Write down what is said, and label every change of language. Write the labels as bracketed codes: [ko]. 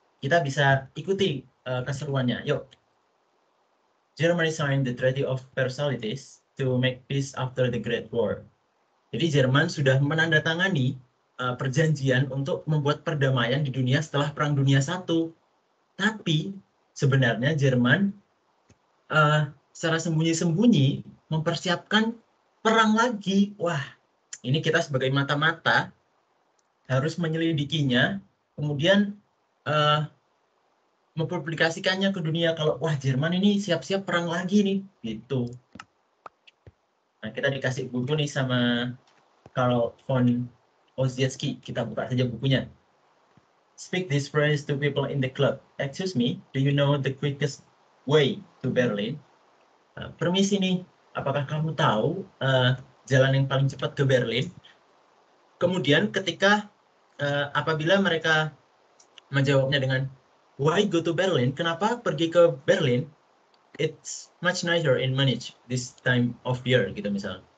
[id] Kita bisa ikuti keseruannya. Yuk. [en] Germany signed the Treaty of Versailles to make peace after the Great War. [id] Jadi Jerman sudah menandatangani perjanjian untuk membuat perdamaian di dunia setelah Perang Dunia I. Tapi sebenarnya Jerman secara sembunyi-sembunyi mempersiapkan perang lagi. Wah, ini kita sebagai mata-mata harus menyelidikinya, kemudian mempublikasikannya ke dunia kalau, wah, Jerman ini siap-siap perang lagi nih, gitu. Nah, kita dikasih buku nih sama Carl von Ossietzky. Kita buka saja bukunya. [en] Speak this phrase to people in the club. Excuse me, do you know the quickest way to Berlin? [id] Permisi nih, apakah kamu tahu jalan yang paling cepat ke Berlin? Kemudian ketika apabila mereka menjawabnya dengan [en] why go to Berlin? [id] Kenapa pergi ke Berlin? [en] It's much nicer in Munich this time of year, gitu misalnya.